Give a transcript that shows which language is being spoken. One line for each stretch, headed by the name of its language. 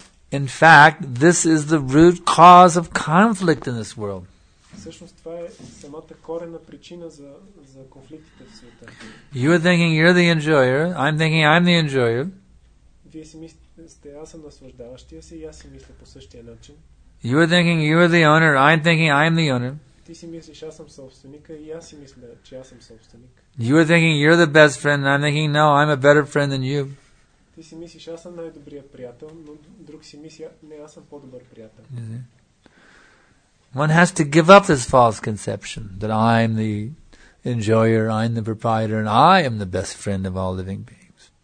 English: In fact, this is the root cause of conflict in this world.
Bulgarian: Всъщност това е самата корена причина за конфликтите в света.
English: You are thinking you're the enjoyer. I'm thinking I'm the enjoyer.
Bulgarian: Вие си мислите, аз съм наслаждаващия се, и аз си мисля по същия начин.
English: You are thinking you are the owner. I'm thinking I'm the owner.
Bulgarian: Ти си мислиш, аз съм собственика, и аз си мисля, че аз съм собственик.
English: You are thinking you're the best friend. I'm thinking no, I'm a better friend than you.
Bulgarian: Ти си мислиш, аз съм най-добрият приятел, но друг си мисля, не, аз съм по-добър приятел.
English: One has to give up this false conception that I am the enjoyer, I am the proprietor, and I am the best friend of all living beings.